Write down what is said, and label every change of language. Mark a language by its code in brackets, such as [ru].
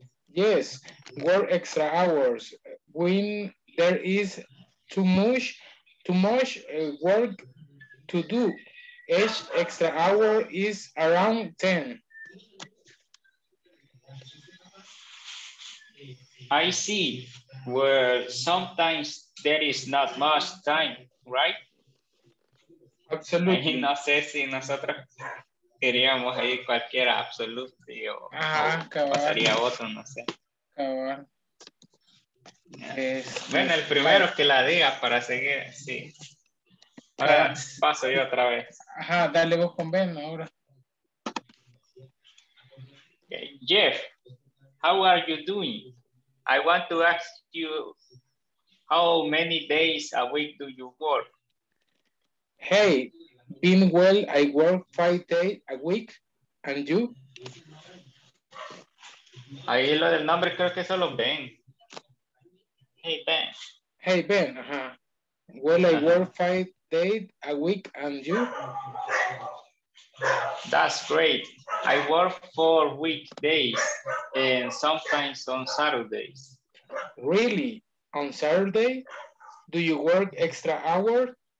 [en] Yes, work extra hours when there is too much work to do. Each extra hour is around 10. I see. Well, sometimes there is not much time, right? Absolutely. [es] No sé si nosotros queríamos ahí cualquiera, [en] absolutely, [es] o pasaría otro, no sé. Cabal. Bueno, el primero que la diga para seguir, sí. Ahora paso yo otra vez. Ajá, dale vos con Ben ahora. [en] Jeff, how are you doing? I want to ask you, how many days a week do you work? Hey, been well, I work 5 days a week, and you? [es] Ahí lo del nombre creo que es solo Ben. [en] Hey, Ben. Hey, Ben, uh-huh. Well, uh-huh. I work 5 days a week, and you? That's great. I work 4 weekdays and sometimes on Saturdays. Really? On Saturday? Do you work extra hours?